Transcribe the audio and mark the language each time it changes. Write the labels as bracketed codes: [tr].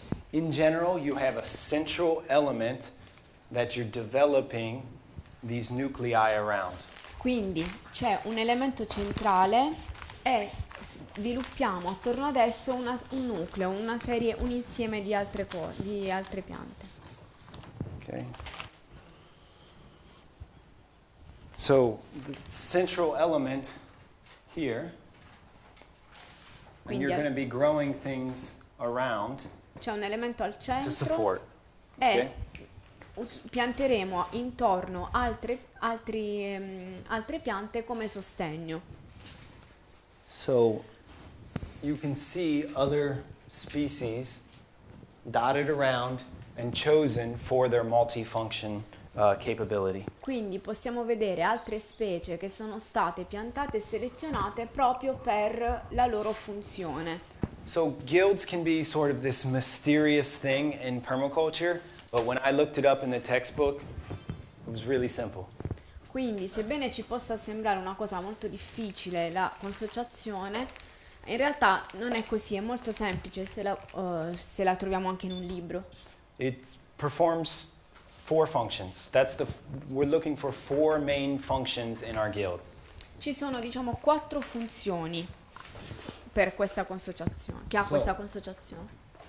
[en] In general, you have a central element that you're developing these nuclei around. [it] Quindi c'è un elemento centrale e sviluppiamo attorno ad esso un nucleo, una serie, un insieme di altre piante. [en] Okay. So the central element here, [it] quindi [en] and you're going to be growing things around. [it] C'è un elemento al centro. [en] To support. [it] E okay. Pianteremo intorno altre piante come sostegno. [en] So you can see other species dotted around and chosen for their multifunction. Capability. [it] Quindi possiamo vedere altre specie che sono state piantate e selezionate proprio per la loro funzione. [en] So guilds can be sort of this mysterious thing in permaculture, but when I looked it up in the textbook, it was really simple. [it] Quindi, sebbene ci possa sembrare una cosa molto difficile la consociazione, in realtà non è così, è molto semplice se la troviamo anche in un libro. [en] It performs four functions. That's the we're looking for four main functions in our guild. [it] Ci sono, diciamo, quattro funzioni per questa consociazione, che ha questa consociazione.